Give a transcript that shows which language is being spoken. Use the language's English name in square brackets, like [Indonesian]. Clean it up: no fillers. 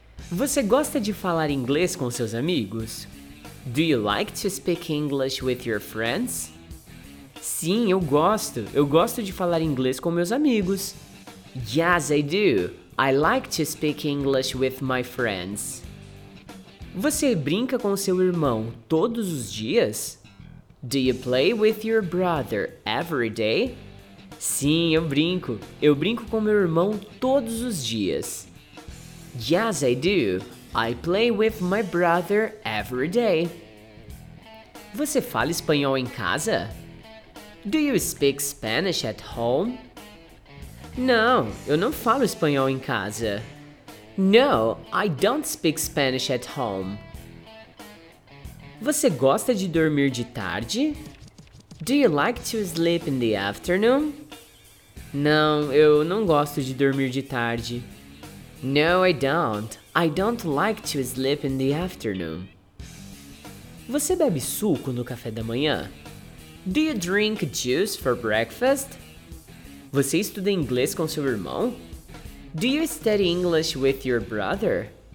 [Portuguese] Você gosta de falar inglês com seus amigos? [English] Do you like to speak English with your friends? [Portuguese] Sim, eu gosto. Eu gosto de falar inglês com meus amigos. [English] Yes, I do. I like to speak English with my friends. [Portuguese] Você brinca com seu irmão todos os dias? [English] Do you play with your brother every day? [Portuguese] Sim, eu brinco. Eu brinco com meu irmão todos os dias. [English] Yes, I do. I play with my brother every day. [Portuguese] Você fala espanhol em casa? [English] Do you speak Spanish at home? [Portuguese] Não, eu não falo espanhol em casa. [English] No, I don't speak Spanish at home. [Portuguese] Você gosta de dormir de tarde? [English] Do you like to sleep in the afternoon? [Portuguese] Não, eu não gosto de dormir de tarde. [English] No, I don't. I don't like to sleep in the afternoon. [Portuguese] Você bebe suco no café da manhã? [English] Do you drink juice for breakfast? [Portuguese] Você estuda inglês com seu irmão? [English] Do you study English with your brother?